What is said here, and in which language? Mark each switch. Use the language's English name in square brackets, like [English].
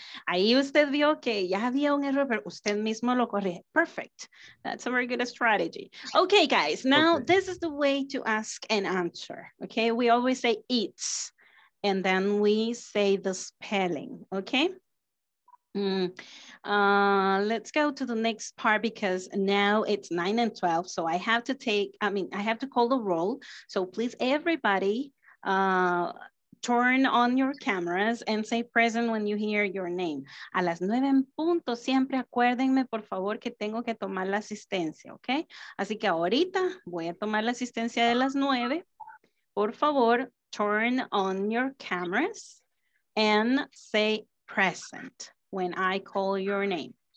[Spanish] Ahí usted vio que ya había un error, pero usted mismo lo corrige. [English] Perfect. That's a very good strategy. Okay, guys, now okay. This is the way to ask and answer. Okay, we always say it's, and then we say the spelling. Okay. Let's go to the next part because now it's 9 and 12. So I have to call the roll. So please, everybody, turn on your cameras and say present when you hear your name. [Spanish] A las 9 en punto, siempre acuérdenme, por favor, que tengo que tomar la asistencia, ¿ok? Así que ahorita voy a tomar la asistencia de las 9. Por favor, [English] turn on your cameras and say present when I call your name.